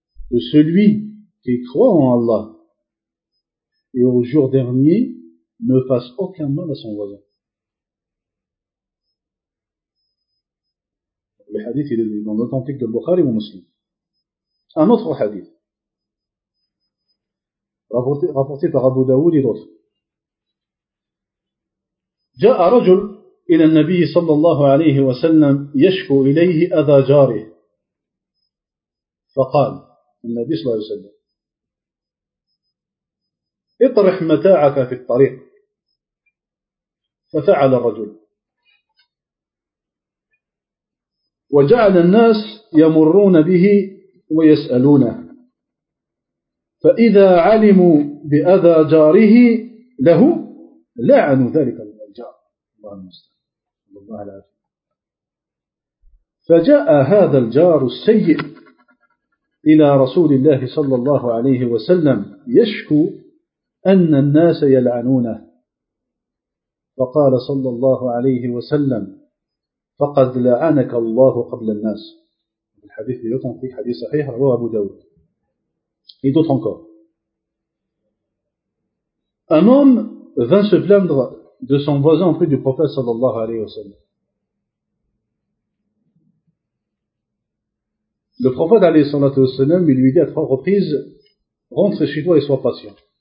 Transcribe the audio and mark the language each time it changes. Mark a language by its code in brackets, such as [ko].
[fr] De celui qui croit en Allah et au jour dernier ne fasse aucun mal à son voisin. Le hadith il est dans l'authentique de Bukhari ou Muslim. Un autre hadith, rapporté par Abu Daoud et d'autres. [ar] جاء رجل إلى النبي صلى الله عليه وسلم يشكو إليه أذى جاره فقال النبي صلى الله عليه وسلم اطرح متاعك في الطريق ففعل الرجل وجعل الناس يمرون به ويسألونه فإذا علموا بأذى جاره له لعنوا ذلك الجار الله المستعان الله العافية فجاء هذا الجار السيء إلى رسول الله صلى الله عليه وسلم يشكو أن الناس يلعنونه فقال صلى الله عليه وسلم فقد لعنك الله قبل الناس الحديث يتم في حديث صحيح رواه أبو داود [fr] et d'autres encore. Un homme vint se plaindre de son voisin auprès du prophète sallallahu alayhi wa sallam. Le prophète alayhi sallallahu alayhi wa sallam il lui dit à trois reprises: rentre chez toi et sois patient.